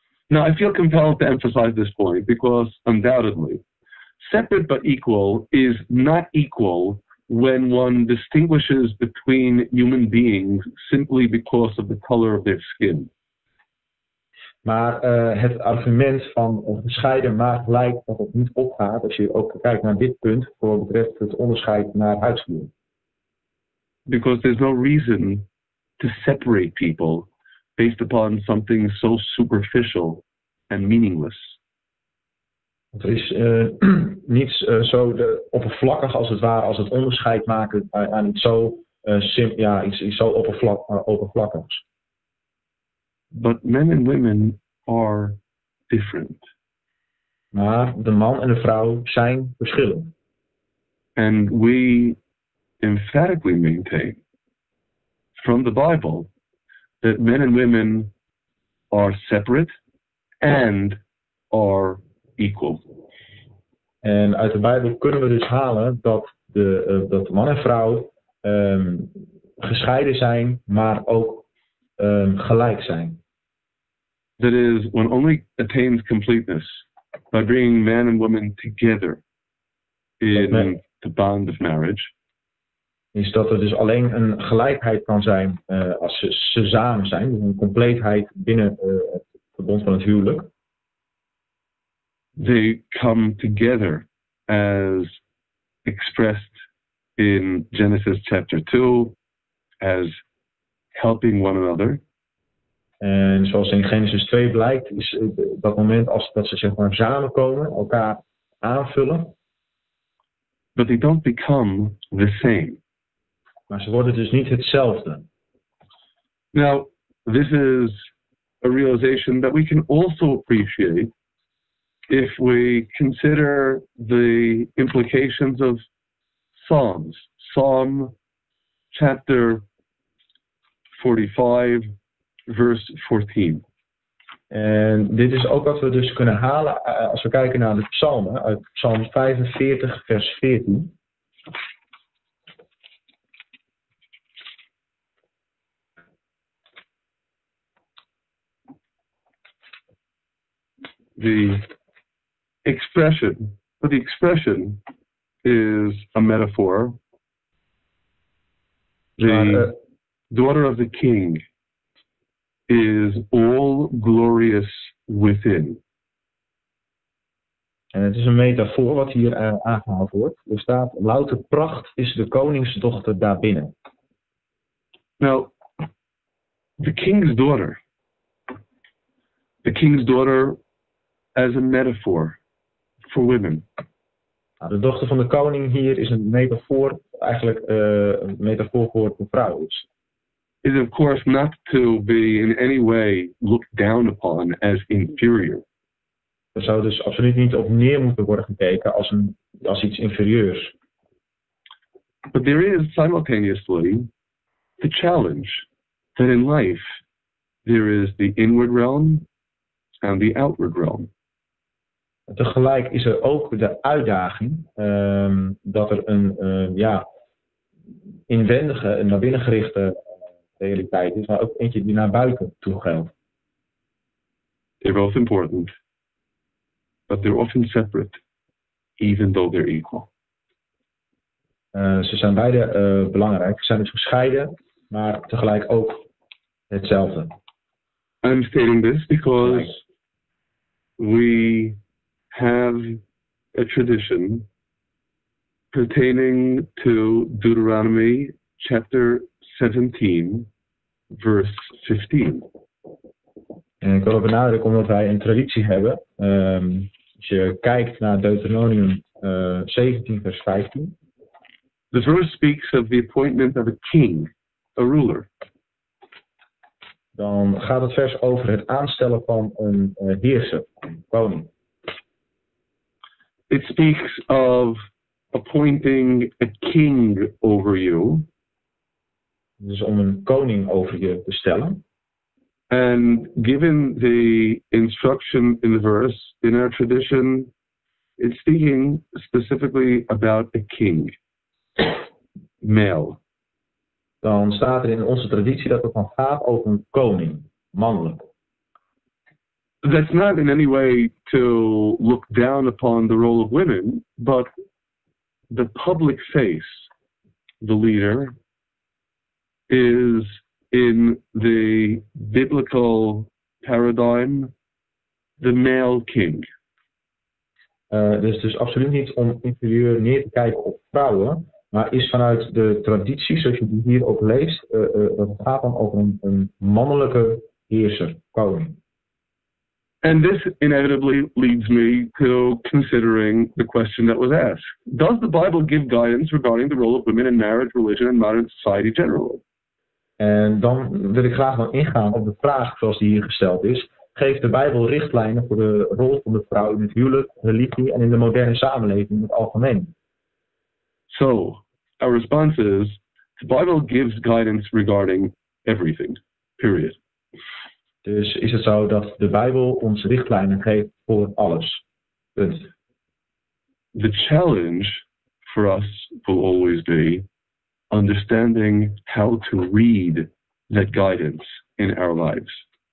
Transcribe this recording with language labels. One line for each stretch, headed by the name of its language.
English: Now I feel compelled to emphasize this point because undoubtedly, separate but equal is not equal when one distinguishes between human beings simply because of the color of their skin.
Dutch: Maar het argument van gescheiden maar gelijk dat het niet opgaat als je ook kijkt naar dit punt voor wat betreft het onderscheid naar huidskleur.
English: Because there's no reason to separate people based upon something so superficial and meaningless.
Dutch: Er is niets zo oppervlakkig als het ware als het onderscheid maken aan iets zo oppervlakkigs.
English: But men and women are different.
Dutch: Maar de man en de vrouw zijn verschillend.
English: And we emphatically maintain from the Bible that men and women are separate and are equal.
Dutch: En uit de Bijbel kunnen we dus halen dat dat man en vrouw gescheiden zijn, maar ook gelijk zijn.
English: That is, one only attains completeness by bringing man and woman together in the bond of marriage.
Dutch: Is dat er dus alleen een gelijkheid kan zijn als ze samen zijn, dus een compleetheid binnen het verbond van het huwelijk.
English: They come together as expressed in Genesis chapter 2 as helping one another.
Dutch: En zoals in Genesis 2 blijkt, is dat moment als dat ze zeg maar samenkomen, elkaar aanvullen.
English: but they don't become the same.
Dutch: Maar ze worden dus niet hetzelfde.
English: Now, this is a realization that we can also appreciate if we consider the implications of Psalms. Psalm chapter 45, verse 14.
Dutch: En dit is ook wat we dus kunnen halen als we kijken naar de psalmen, uit psalm 45, vers 14.
English: The expression is a metaphor. The daughter of the king is all glorious within.
Dutch: En het is een metafoor wat hier aangehaald wordt. Er staat, louter pracht is de koningsdochter daarbinnen.
English: Now, the king's daughter as a metaphor for women.
Dutch: Nou, de dochter van de koning hier is een metafoor, eigenlijk een metafoor voor vrouwen.
English: Is of course not to be in any way looked down upon as inferior.
Dutch: Er zou dus absoluut niet op neer moeten worden gekeken als iets inferieurs.
English: But there is simultaneously the challenge that in life there is the inward realm and the outward realm.
Dutch: Tegelijk is er ook de uitdaging dat er een inwendige en naar binnen gerichte realiteit is, maar ook eentje die naar buiten toe geldt.
English: They're both important, but they're often separate, even though they're equal.
Dutch: Ze zijn beide belangrijk. Ze zijn dus gescheiden, maar tegelijk ook hetzelfde.
English: I'm stating this because we have a tradition pertaining to Deuteronomy chapter 17. Verse 15.
Dutch: En ik wil ook benadrukken omdat wij een traditie hebben. Als je kijkt naar Deuteronomium 17, vers 15.
English: The verse speaks of the appointment of a king, a ruler.
Dutch: Dan gaat het vers over het aanstellen van een heerser, een koning.
English: It speaks of appointing a king over you.
Dutch: Dus om een koning over je te stellen.
English: And given the instruction in the verse, in our tradition, it's speaking specifically about a king. Male.
Dutch: Dan staat er in onze traditie dat het dan gaat over een koning. Mannelijk.
English: That's not in any way to look down upon the role of women, but the public face, the leader, is in the biblical paradigm the male king.
Dutch: Dus absoluut niet om inferieur neer te kijken op vrouwen, maar is vanuit de traditie, zoals je die hier ook leest, dat het gaat dan over een mannelijke heerser, koning.
English: And this inevitably leads me to considering the question that was asked. Does the Bible give guidance regarding the role of women in marriage, religion and modern society generally?
Dutch: En dan wil ik graag wel ingaan op de vraag zoals die hier gesteld is. Geeft de Bijbel richtlijnen voor de rol van de vrouw in het huwelijk, religie en in de moderne samenleving in het algemeen?
English: So, our response is, the Bible gives guidance regarding everything, period.
Dutch: Dus is het zo dat de Bijbel ons richtlijnen geeft voor alles, punt.
English: The challenge for us will always be understanding how to read that guidance in our lives.